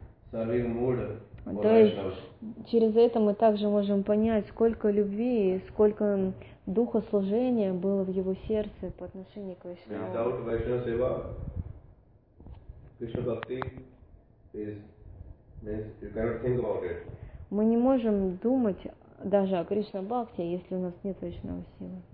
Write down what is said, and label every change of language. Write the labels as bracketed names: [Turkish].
[Russian] То есть через это мы также можем понять, сколько любви, сколько духа служения было в его сердце по отношению к вайшнаву. [English] Without Vaishnava Seva, Krishna Bhakti you cannot think about it. [Russian] Мы не можем думать даже о Кришна Бхакти, если у нас нет вайшнава силы.